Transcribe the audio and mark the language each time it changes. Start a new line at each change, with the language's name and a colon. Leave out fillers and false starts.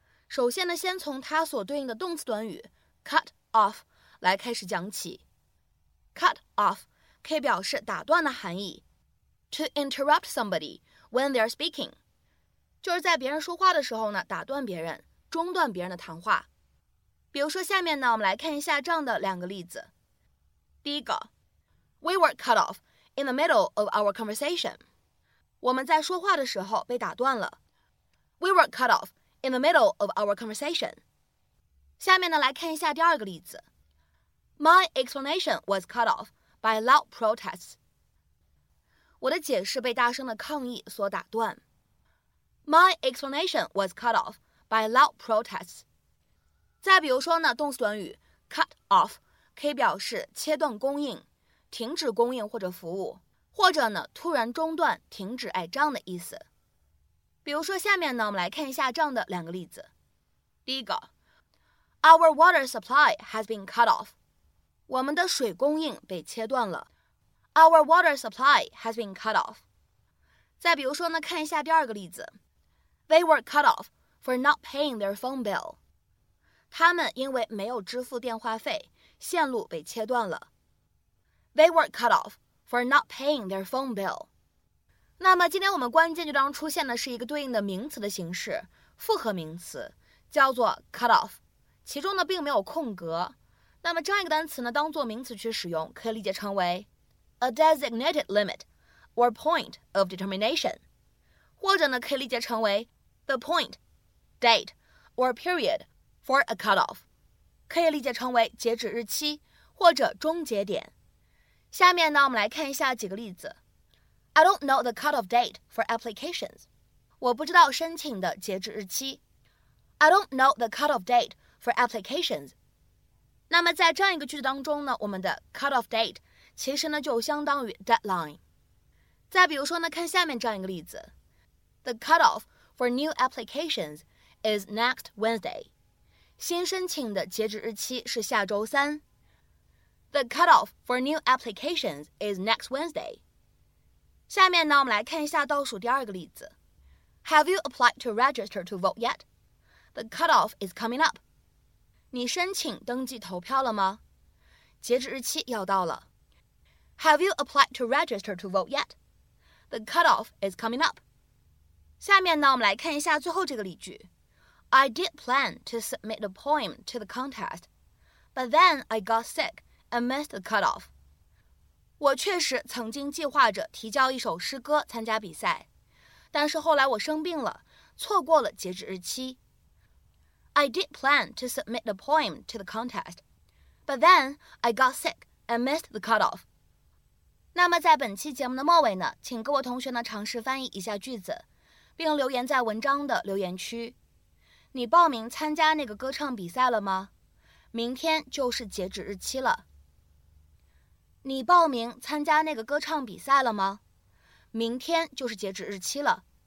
Chinese: 首先呢，先从它所对应的动词短语 cut off 来开始讲起。 cut off 可以表示打断的含义，
English: to interrupt somebody when they are speaking，
Chinese: 就是在别人说话的时候呢打断别人，中断别人的谈话。比如说下面呢，我们来看一下这样的两个例子。第一个，
English: we were cut offIn the middle of our conversation.
Chinese: 我们在说话的时候被打断了。
English: We were cut off in the middle of our conversation.
Chinese: 下面呢来看一下第二个例子。
English: My explanation was cut off by loud protests.
Chinese: 我的解释被大声的抗议所打断。
English: My explanation was cut off by loud protests.
Chinese: 再比如说呢，动词短语 cut off 可以表示切断供应。停止供应或者服务，或者呢突然中断停止爱账的意思。比如说下面呢，我们来看一下这样的两个例子。第一个，
English: Our water supply has been cut off.
Chinese: 我们的水供应被切断了。
English: Our water supply has been cut off.
Chinese: 再比如说呢，看一下第二个例子。
English: They were cut off for not paying their phone bill.
Chinese: 他们因为没有支付电话费，线路被切断了。
English: They were cut off for not paying their phone bill.
Chinese: 那么今天我们关键句当中出现的是一个对应的名词的形式，复合名词，叫做 cut off， 其中呢并没有空格。那么这样一个单词呢，当做名词去使用，可以理解成为
English: a designated limit or point of determination，
Chinese: 或者呢可以理解成为
English: the point, date or period for a cut off，
Chinese: 可以理解成为截止日期或者终结点。下面呢，我们来看一下几个例子。
English: I don't know the cutoff date for applications.
Chinese: 我不知道申请的截止日期。
English: I don't know the cutoff date for applications.
Chinese: 那么在这样一个句子当中呢，我们的 cutoff date 其实呢就相当于 deadline。再比如说呢，看下面这样一个例子。
English: The cutoff for new applications is next Wednesday.
Chinese: 新申请的截止日期是下周三。
English: The cutoff for new applications is next Wednesday.
Chinese: 下面呢，我们来看一下倒数第二个例子。
English: Have you applied to register to vote yet? The cutoff is coming up.
Chinese: 你申请登记投票了吗？截止日期要到了。
English: Have you applied to register to vote yet? The cutoff is coming up.
Chinese: 下面呢，我们来看一下最后这个例句。
English: I did plan to submit a poem to the contest, but then I got sick and missed the cutoff.
Chinese: 我确实曾经计划着提交一首诗歌参加比赛，但是后来我生病了，错过了截止日期。
English: I did plan to submit a poem to the contest, but then I got sick and missed the cutoff.
Chinese: 那么在本期节目的末尾呢，请各位同学呢尝试翻译一下句子，并留言在文章的留言区。你报名参加那个歌唱比赛了吗？明天就是截止日期了。你报名参加那个歌唱比赛了吗？明天就是截止日期了。